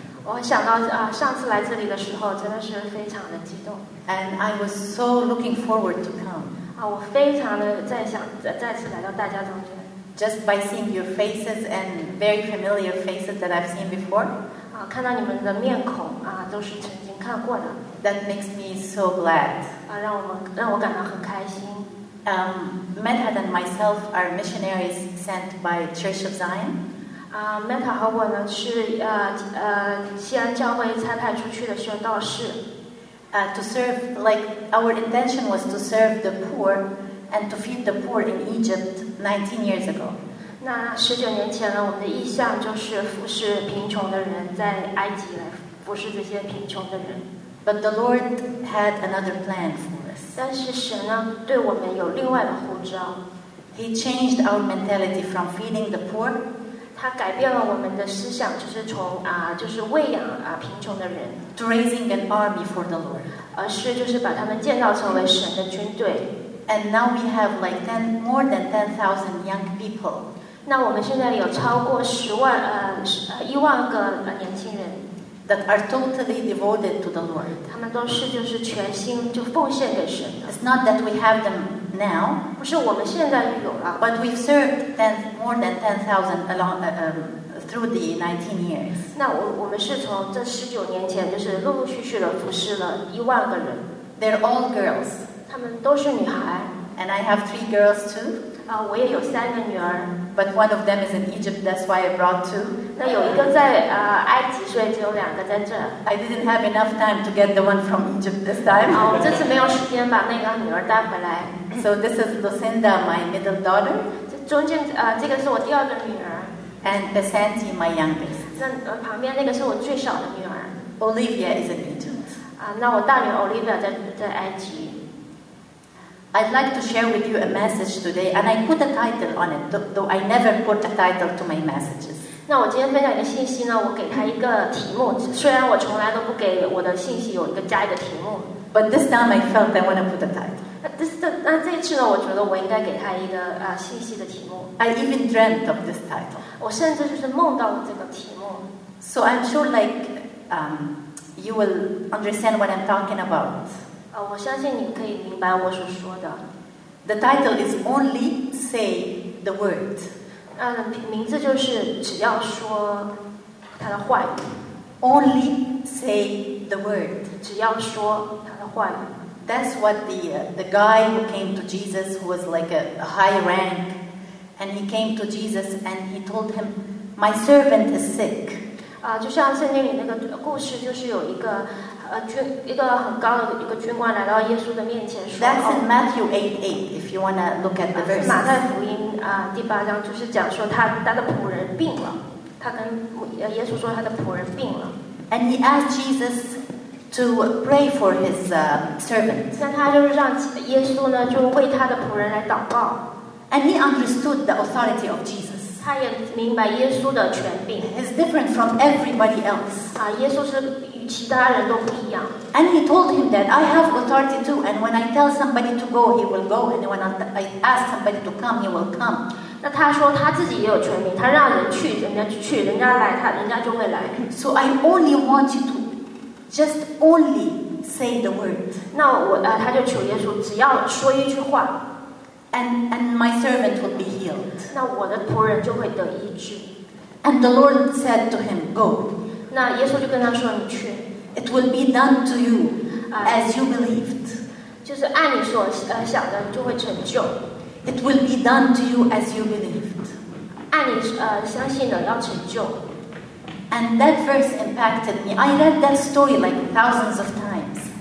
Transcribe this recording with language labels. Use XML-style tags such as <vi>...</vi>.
<zh>我想到啊，上次来这里的时候真的是非常的激动。</zh> <en>And I was so looking forward to come.</en> <zh>啊，我非常的在想再次来到大家中间。</zh> <en>Just by seeing your faces and very familiar faces that I've seen before.</en> <zh>啊，看到你们的面孔啊，都是曾经看过的。</zh> <en>That makes me so glad.</en> <zh>啊，让我感到很开心。</zh> <en>Metta and myself are missionaries sent by Church of Zion.</en> <zh>Metta 和我呢是西安教会差派出去的宣道士。</zh> <en>To serve, like our intention was to serve the poor and to feed the poor in Egypt 19 years ago.</en> <zh>那十九年前呢，我们的意向就是服侍贫穷的人，在埃及来服侍这些贫穷的人。</zh> <en>But the Lord had another plan for us.</en> <zh>但是神呢，对我们有另外的呼召。</zh> <en>He changed our mentality from feeding the poor.</en> <zh>他改变了我们的思想，就是从啊，就是喂养啊贫穷的人。</zh> <en>To raising an army for the Lord.</en> <zh>而是就是把他们建造成为神的军队。</zh> <en>And now we have like more than 10,000 young people.</en> <zh>那我们现在有超过一万个年轻人。</zh> <en>That are totally devoted to the Lord.</en> <zh>他们都是就是全心就奉献给神的。</zh> <en>It's not that we have them now.</en> <zh>不是我们现在就有了。</zh> <en>But we've served more than 10,000 along through the 19 years.</en> <zh>那我们是从这十九年前就是陆陆续续的服侍了一万个人。</zh> <en>They're all girls.</en> <zh>他们都是女孩。</zh> <en>And I have three girls too.</en> <zh>啊，我也有三个女儿。</zh> <en>But one of them is in Egypt. That's why I brought two.</en> <zh>那有一个在埃及，所以只有两个在这。</zh> <en>I didn't have enough time to get the one from Egypt this time.</en> <zh>哦，这次没有时间把那个女儿带回来。</zh> <en>So this is Lucinda, my middle daughter.</en> <zh>这个是我第二个女儿。</zh> <en>And Basanti, my youngest.</en> <zh>旁边那个是我最小的女儿。</zh> <en>Olivia is in Egypt.</en> <zh>那我大女 Olivia 在埃及。</zh> <en>I'd like to share with you a message today, and I put a title on it, though I never put a title to my messages.</en> <zh>那我今天分享一个信息呢，我给他一个题目，虽然我从来都不给我的信息加一个题目。</zh> <en>But this time I felt I want to put a title.</en> <zh>那这次呢，我觉得我应该给他一个信息的题目。</zh> <en>I even dreamt of this title.</en> <zh>我甚至就是梦到了这个题目。</zh> <en>So I'm sure like, you will understand what I'm talking about.</en> <zh>我相信你可以明白我所说的。</zh> <en>The title is only say the word.</en> <zh>名字就是只要说他的话语。</zh> <en>Only say the word.</en> <zh>只要说他的话语。</zh> <en>That's what the guy who came to Jesus, who was like a high rank, and he came to Jesus and he told him, "My servant is sick."</en> <zh>就像圣经里那个故事，就是有一个。一个很高的一个军官来到耶稣的面前说</zh> <en>That's in Matthew 8:8 if you want to look at the verse.</en> <zh>马太福音第八章就是讲说他的仆人病了，他跟耶稣说他的仆人病了。</zh> <en>And he asked Jesus to pray for his servant.</en> <zh>那他就是让耶稣呢就为他的仆人来祷告。</zh> <en>And he understood the authority of Jesus.</en> <zh>他也明白耶稣的权柄。</zh> <en>He's different from everybody else.</en> <zh>耶稣是其他人都不一样。</zh> <en>And he told him that I have authority too. And when I tell somebody to go, he will go. And when I ask somebody to come, he will come.</en> <zh>那他说他自己也有权柄，他让人去，人家去，人家来，人家就会来。</zh> <en>So I only want you to just only say the word.</en> <zh>那他就求耶稣，只要说一句话</zh> <en>，and my servant will be healed.</en> <zh>那我的仆人就会得医治。</zh> <en>And the Lord said to him, go.</en> <zh>那耶稣就跟他说：“你去。”</zh> <en>It will be done to you as you believed.</en> <zh>就是按你所想的就会成就。</zh> <en>It will be done to you as you believed.</en> <zh>按你相信的要成就。</zh> <en>And that verse impacted me. I read that story like thousands of times.</en>